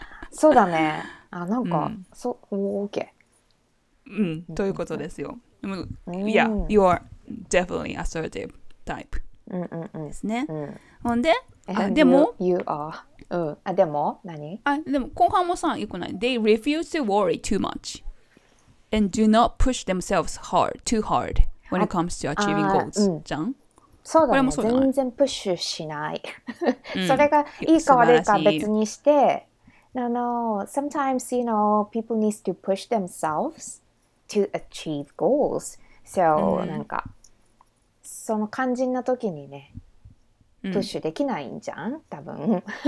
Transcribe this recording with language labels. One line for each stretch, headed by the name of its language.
Japanese: そうだね。あ、なんか、うん、そう、 OK、うん、ということですよ。でも、うん、
English: Yeah, you are definitely assertive type、
Japanese: うんうんうん、ですね、うん。ほんで、あ、でも、
English: you are、
Japanese: うん、あ、でも、何？あ、でも後半もさ、よくない。
English: They refuse to worry too much and do not push themselves hard, too hard when it comes to achieving goals、
Japanese: うん、じゃん。そうだね、全然プッシュしない。それがいいか悪いか別にして、
English: No, no, sometimes, you know, people need to push themselves to achieve goals. So,、
Japanese: うん、なんか、その肝心な時にね、プッシュできないんじゃん、うん、多分。